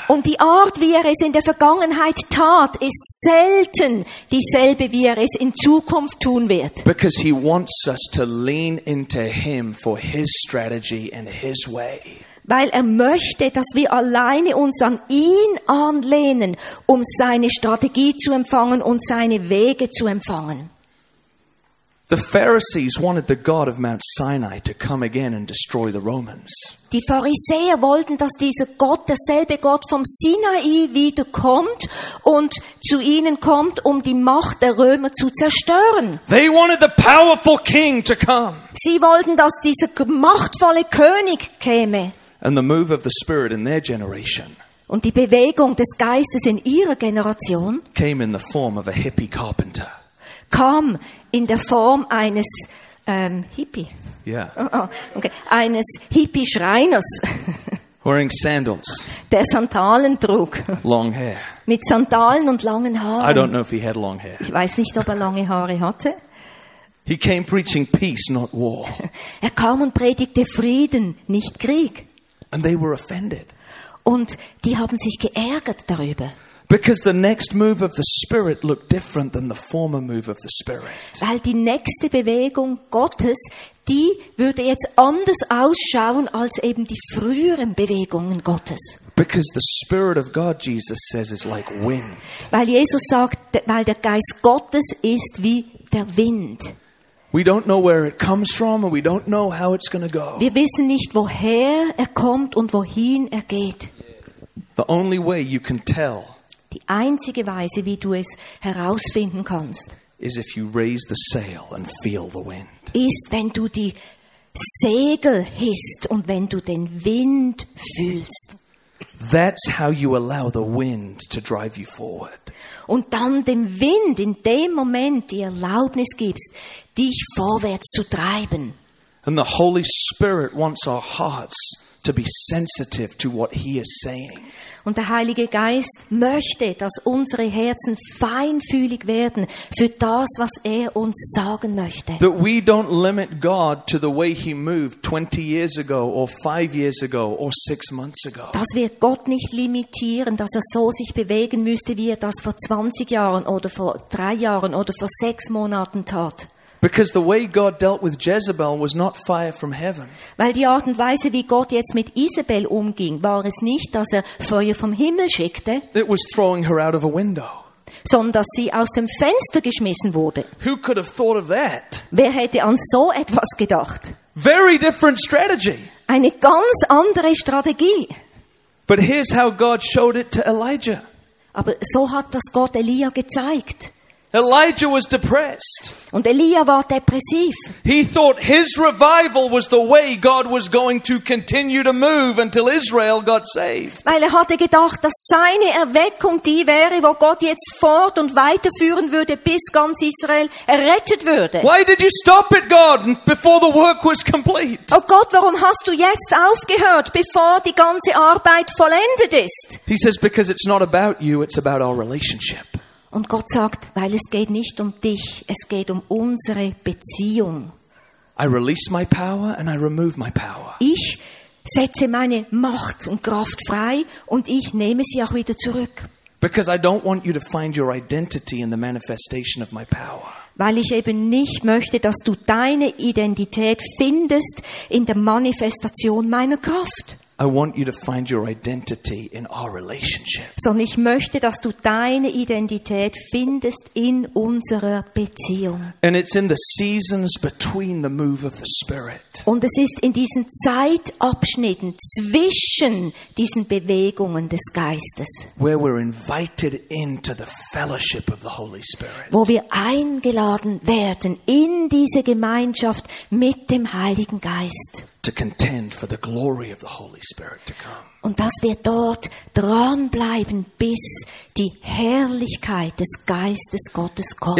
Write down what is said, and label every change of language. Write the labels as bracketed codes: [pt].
[de] Und die Art, wie er es in der Vergangenheit tat, ist selten dieselbe, wie er es in Zukunft tun wird. [en] Because He wants us to lean into Him for His strategy and His way. [de] Weil er möchte, dass wir alleine uns an ihn anlehnen, um seine Strategie zu empfangen und seine Wege zu empfangen. [en] The Pharisees wanted the God of Mount Sinai to come again and destroy the Romans. [de] Die Pharisäer wollten, dass dieser Gott, derselbe Gott vom Sinai, wieder kommt und zu ihnen kommt, um die Macht der Römer zu zerstören. [en] They wanted the powerful king to come. [de] Sie wollten, dass dieser machtvolle König käme. [en] And the move of the Spirit in their generation. [de] Und die Bewegung des Geistes in ihrer Generation [en] came in the form of a hippie carpenter. [de] Kam in der Form eines Hippie. [en] Yeah. Oh, okay. [de] Eines Hippie Schreiners. [en] Wearing sandals. [de] Der Sandalen trug. [en] Long hair. [de] Mit Sandalen und langen Haaren. [en] I don't know if he had long hair. [de] Ich weiß nicht, ob er lange Haare hatte. [en] He came preaching peace, not war. [de] Er kam und predigte Frieden, nicht Krieg. [en] And they were offended. [de] Und die haben sich geärgert darüber. [en] Because the next move of the Spirit looked different than the former move of the Spirit. [de] Weil die nächste Bewegung Gottes, die würde jetzt anders ausschauen als eben die früheren Bewegungen Gottes. [en] Because the Spirit of God, Jesus says, is like wind. [de] Weil Jesus sagt, weil der Geist Gottes ist wie der Wind. [en] We don't know where it comes from and we don't know how it's going to go. [de] Wir wissen nicht, woher er kommt und wohin er geht. [en] The only way you can tell. [de] Die einzige Weise, wie du es herausfinden kannst. [en] Is if you raise the sail and feel the wind. [de] Ist, wenn du die Segel hisst und wenn du den Wind fühlst. [en] That's how you allow the wind to drive you forward. [de] Und dann dem Wind in dem Moment die Erlaubnis gibst, dich vorwärts zu treiben. [en] And the Holy Spirit wants our hearts to be sensitive to what He is saying. [de] Und der Heilige Geist möchte, dass unsere Herzen feinfühlig werden für das, was er uns sagen möchte. [en] That we don't limit God to the way He moved 20 years ago or 5 years ago or 6 months ago. [de] Dass wir Gott nicht limitieren, dass er so sich bewegen müsste, wie er das vor 20 Jahren oder vor 3 Jahren oder vor 6 Monaten tat. [en] Because the way God dealt with Jezebel was not fire from heaven. [de] Weil die Art und Weise, wie Gott jetzt mit Isabel umging, war es nicht, dass er Feuer vom Himmel schickte. [en] It was throwing her out of a window. [de] Sondern dass sie aus dem Fenster geschmissen wurde. [en] Who could have thought of that? [de] Wer hätte an so etwas gedacht? [en] Very different strategy. [de] Eine ganz andere Strategie. [en] But here's how God showed it to Elijah. [de] Aber so hat das Gott Elia gezeigt. [en] Elijah was depressed. [de] Und Elia war depressiv. [en] He thought his revival was the way God was going to continue to move until Israel got saved. [de] Weil er hatte gedacht, dass seine Erweckung die wäre, wo Gott jetzt fort und weiterführen würde, bis ganz Israel errettet würde. [en] Why did you stop it, God, before the work was complete? [de] Oh Gott, warum hast du jetzt aufgehört, bevor die ganze Arbeit vollendet ist? [en] He says, because it's not about you, it's about our relationship. [de] Und Gott sagt, weil es geht nicht um dich, es geht um unsere Beziehung. [en] I release my power and I remove my power. [de] Ich setze meine Macht und Kraft frei und ich nehme sie auch wieder zurück. [en] Because I don't want you to find your identity in the manifestation of my power. [de] Weil ich eben nicht möchte, dass du deine Identität findest in der Manifestation meiner Kraft. [en] I want you to find your identity in our relationship. [de] Sondern ich möchte, dass du deine Identität findest in unserer Beziehung. [en] And it's in the seasons between the move of the Spirit. [de] Und es ist in diesen Zeitabschnitten zwischen diesen Bewegungen des Geistes. [en] Where we're invited into the fellowship of the Holy Spirit. [de] Wo wir eingeladen werden in diese Gemeinschaft mit dem Heiligen Geist. [en] To contend for the glory of the Holy Spirit to come. [de] Und dass wir dort dranbleiben, bis die Herrlichkeit des Geistes Gottes kommt.